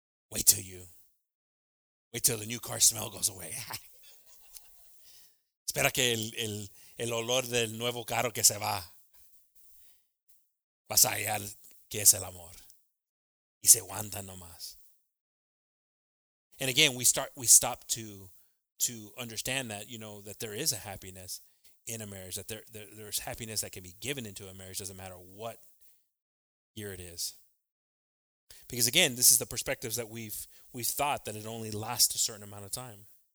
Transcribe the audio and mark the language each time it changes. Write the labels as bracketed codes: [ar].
[en] Wait till the new car smell goes away. [es] Espera que el olor del nuevo carro que se va, vas a hallar que es el amor. Y se aguanta nomás. [en] And again, we stop to understand that, you know, that there is a happiness in a marriage, that there's happiness that can be given into a marriage, doesn't matter what year it is. Because again, this is the perspectives that we've thought that it only lasts a certain amount of time.